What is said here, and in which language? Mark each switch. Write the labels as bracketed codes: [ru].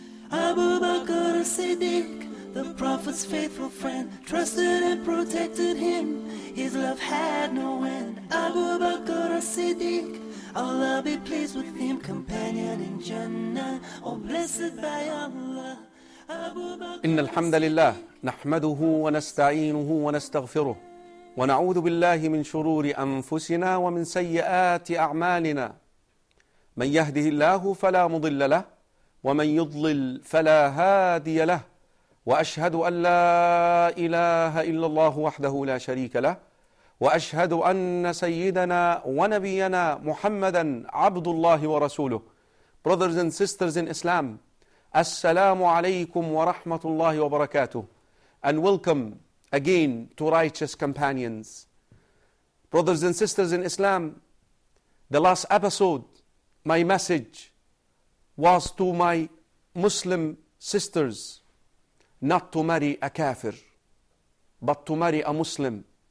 [en] Abu Bakr Siddiq, the Prophet's faithful friend, trusted and protected him. His love had no end. Abu Bakr Siddiq, Allah be pleased with him, companion in Jannah, oh blessed by Allah. Abu [ar] Bakr. إن الحمد لله نحمده ونستعينه ونستغفره ونعوذ بالله من شرور أنفسنا ومن سيئات أعمالنا. من يهده الله فلا مضل له ومن يضلل فلا هادي له. وأشهد أن لا إله إلا الله وحده لا شريك له وأشهد أن سيدنا ونبينا محمدا عبد الله ورسوله. [en] Brothers and sisters in Islam, [ar] السلام عليكم ورحمة الله وبركاته. [en] And welcome again to Righteous Companions. Brothers and sisters in Islam, the last episode, my message was to my Muslim sisters not to marry a kafir, but to marry a Muslim.